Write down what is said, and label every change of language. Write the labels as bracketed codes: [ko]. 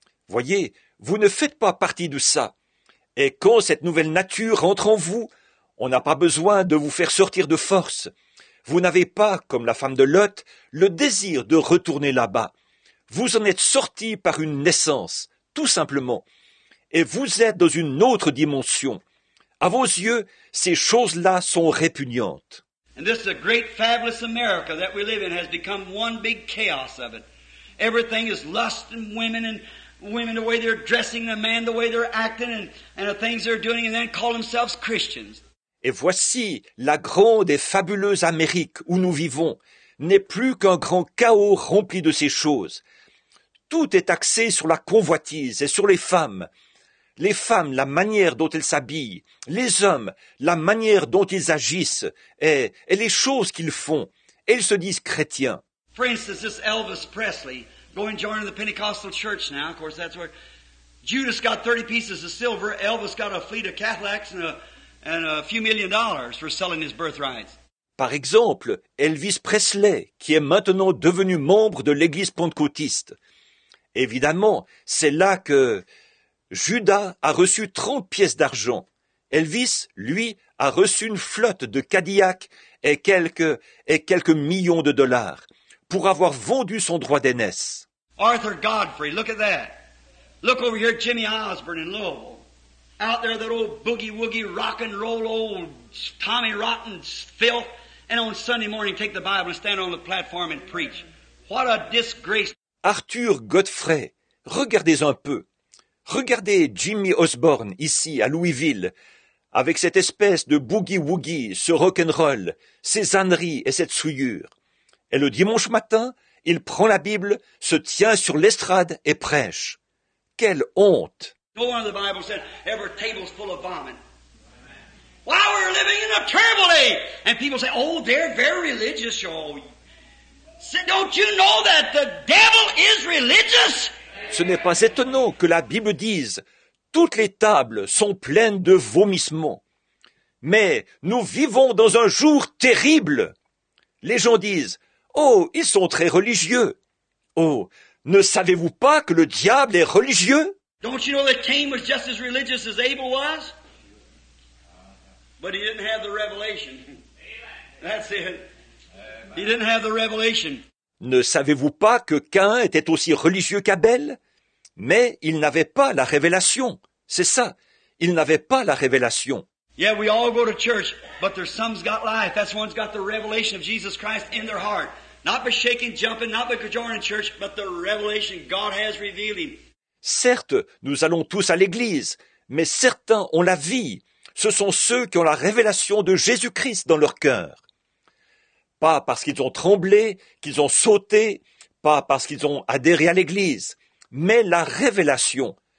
[fr] Voyez, vous ne faites pas partie de ça. Et quand cette nouvelle nature rentre en vous, on n'a pas besoin de vous faire sortir de force. Vous n'avez pas, comme la femme de Lot, le désir de retourner là-bas. Vous en êtes sorti par une naissance, tout simplement. Et vous êtes dans une autre dimension. À vos yeux, ces choses-là sont répugnantes. [en] And this is a great, fabulous America that we live in has become one big chaos of it. Everything is lust and women, the way they're dressing, the man, the way they're acting, and the things they're doing, and then call themselves Christians. [fr] Et voici, la grande et fabuleuse Amérique où nous vivons n'est plus qu'un grand chaos rempli de ces choses. Tout est axé sur la convoitise et sur les femmes. Les femmes, la manière dont elles s'habillent, les hommes, la manière dont ils agissent et les choses qu'ils font. Elles se disent chrétiens. [en] For instance, this Elvis Presley, going joining the Pentecostal church now, of course that's where Judas got 30 pieces of silver, Elvis got a fleet of Cadillacs and a few million dollars for selling his birthrights. [fr] Par exemple, Elvis Presley, qui est maintenant devenu membre de l'église pentecôtiste. Évidemment, c'est là que Judas a reçu 30 pièces d'argent. Elvis, lui, a reçu une flotte de Cadillac et quelques millions de dollars pour avoir vendu son droit d'aînesse. [en] Arthur Godfrey, look at that. Look over here, Jimmy Osborne in Louisville. Out there, that old boogie-woogie, rock and roll, old Tommy Rotten filth, and on Sunday morning, take the Bible and stand on the platform and preach. What a disgrace. [fr] Arthur Godfrey, regardez un peu. Regardez Jimmy Osborne, ici, à Louisville, avec cette espèce de boogie-woogie, ce rock'n'roll, ses âneries et cette souillure. Et le dimanche matin, il prend la Bible, se tient sur l'estrade et prêche. Quelle honte! [en] No one in the Bible said, every table's full of vomit. Why, we're living in a terrible age! And people say, oh, they're very religious, y'all. Say, don't you know that the devil is religious? [fr] Ce n'est pas étonnant que la Bible dise « Toutes les tables sont pleines de vomissements. » Mais nous vivons dans un jour terrible. Les gens disent « Oh, ils sont très religieux. » Oh, ne savez-vous pas que le diable est religieux? [en] Don't you know that Cain was just as religious as Abel was? But he didn't have the revelation. That's it. He didn't have the revelation. [fr] Ne savez-vous pas que Cain était aussi religieux qu'Abel? Mais il n'avait pas la révélation. C'est ça, il n'avait pas la révélation. [en] Yeah, we all go to church, but there's some's got life. That's one's got the revelation of Jesus Christ in their heart. Not by shaking, jumping, not by cajoling church, but the revelation God has revealed him. [fr] Certes, nous allons tous à l'église, mais certains ont la vie. Ce sont ceux qui ont la révélation de Jésus-Christ dans leur cœur. Pas parce qu'ils ont tremblé, qu'ils ont sauté, pas parce qu'ils ont adhéré à l'Église, mais la révélation.